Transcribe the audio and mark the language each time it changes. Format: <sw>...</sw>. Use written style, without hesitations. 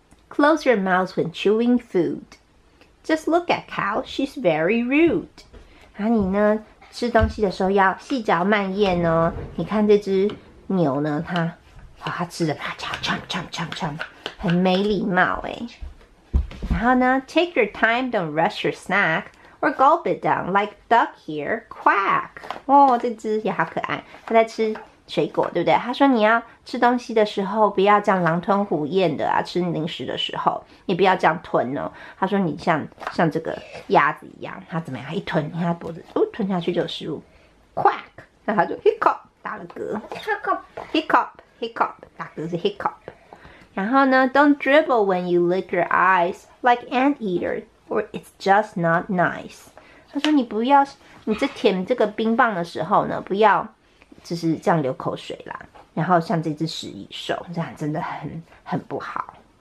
<en>Close your mouth when chewing food. Just look at cow, she's very rude.</en> <zh>啊，你呢，吃东西的时候要细嚼慢咽哦。你看这只牛呢，它吃的啪嚓嚓嚓嚓嚓，很没礼貌哎。然后呢</zh> <en>，Take your time, don't rush your snack, or gulp it down like duck here quack.</en> <zh>哦，这只也好可爱，它在吃水果，对不对？他说你要吃东西的时候，不要这样狼吞虎咽的啊，吃零食的时候也不要这样吞哦。他说你像这个鸭子一样，它怎么样？一吞，你看它脖子，哦，吞下去就有食物 ，quack， 然后它就 hiccup 打了嗝</zh> <en>，hiccup</en> <zh>打嗝是 hiccup。然后呢</zh> <en>，Don't dribble when you lick your eyes like anteater, or it's just not nice.</en> <zh>他说你不要，你在舔这个冰棒的时候呢，不要就是这样流口水啦。然后像这只食蚁兽这样，真的很不好。</zh>